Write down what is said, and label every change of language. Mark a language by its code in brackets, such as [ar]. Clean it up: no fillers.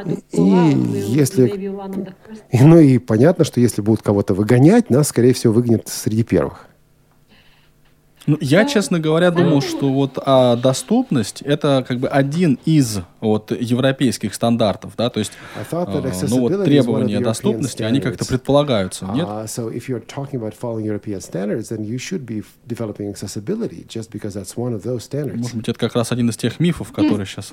[ru] И если, ну и понятно, что если будут кого-то выгонять, нас, скорее всего, выгонят среди первых. Ну, я, честно говоря, думал, что вот доступность – это как бы один из вот европейских стандартов, да, то есть ну, вот, требования доступности, они как-то предполагаются, нет? [en] So if you're talking about following European standards, then you should be developing accessibility just because that's one of those standards. [ru] Может быть, это как раз один из тех мифов, которые сейчас...